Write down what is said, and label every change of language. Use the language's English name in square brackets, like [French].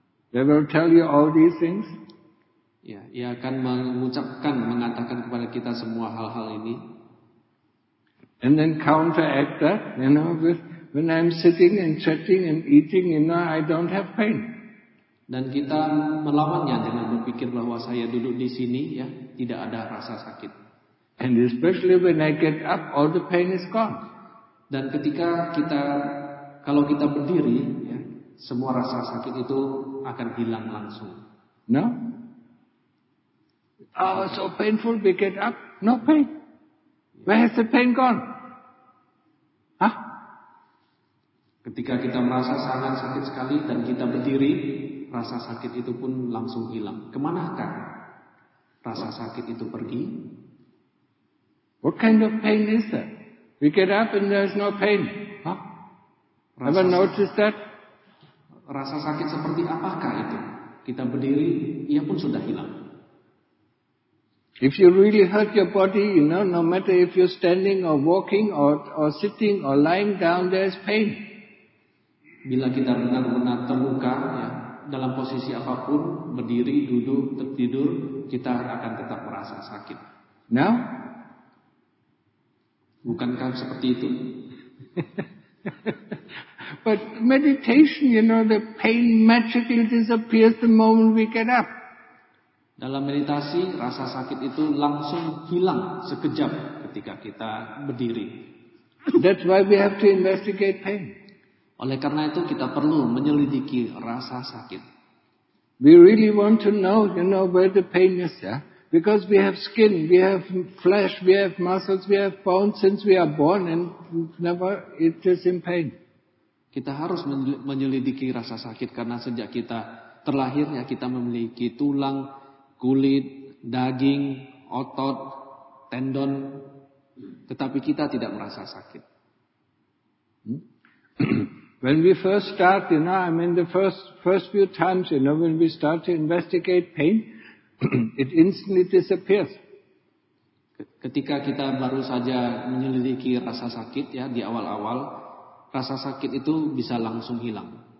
[English] They will tell you all these things. [Indonesian] Ya, ia akan mengatakan kepada kita semua hal-hal ini. [English] And then counteract that, you know, with when I'm sitting and chatting and eating, you know, I don't have pain. [Indonesian] Dan kita melawannya dengan berpikir bahwa saya duduk di sini, ya, tidak ada rasa sakit. [English] And especially when I get up, all the pain is gone. [Indonesian] Dan ketika kita berdiri, ya, semua rasa sakit itu akan hilang langsung. [English] No? Oh, so painful, we get up, no pain. Where has the pain gone? Huh? [Indonesian] Ketika kita merasa sangat sakit sekali dan kita berdiri, rasa sakit itu pun langsung hilang. Kemanakah rasa sakit itu pergi? [English] What kind of pain is that? We get up and there's no pain. Huh? Ever noticed that? [Indonesian] Rasa sakit seperti apakah itu? Kita berdiri, ia pun sudah hilang. [English] If you really hurt your body, you know, no matter if you're standing or walking or sitting or lying down, there's pain. [Indonesian] Bila kita benar-benar terluka, ya, dalam posisi apapun, berdiri, duduk, tertidur, kita akan tetap merasa sakit. [English] Now? [Indonesian] Bukankah seperti itu? [English] But meditation, you know, the pain magically disappears the moment we get up. [Indonesian] Dalam meditasi, rasa sakit itu langsung hilang sekejap ketika kita berdiri. [English] That's why we have to investigate pain. [Indonesian] Oleh karena itu, kita perlu menyelidiki rasa sakit. [English] We really want to know, you know, where the pain is, yeah? Because we have skin, we have flesh, we have muscles, we have bones since we are born and never it is in pain. [Indonesian] Kita harus menyelidiki rasa sakit karena sejak kita terlahir, ya, kita memiliki tulang, kulit, daging, otot, tendon, tetapi kita tidak merasa sakit. [English] When we first start, you know, I mean the first few times, you know, when we start to investigate pain, it instantly disappears. [Indonesian] Ketika kita baru saja menyelidiki rasa sakit, ya, di awal-awal, rasa sakit itu bisa langsung hilang.